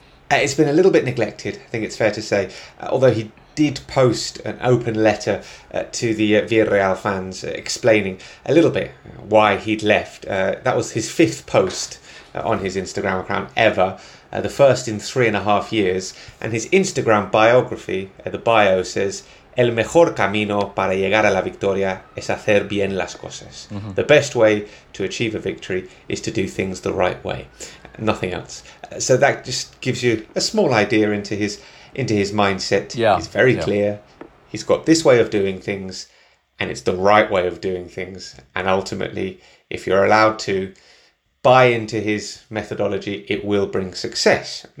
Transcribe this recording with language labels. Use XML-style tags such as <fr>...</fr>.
<en>It's been a little bit neglected, I think it's fair to say. Although he did post an open letter to the Villarreal fans explaining a little bit why he'd left. That was his fifth post on his Instagram account ever. The first in 3.5 years. And his Instagram biography, the bio says,</en> <es>El mejor camino para llegar a la victoria es hacer bien las cosas. Mm-hmm.</es> <en>The best way to achieve a victory is to do things the right way. Nothing else. So that just gives you a small idea into his mindset. Yeah. He's very clear. He's got this way of doing things, and it's the right way of doing things. And ultimately, if you're allowed to buy into his methodology, it will bring success.</en>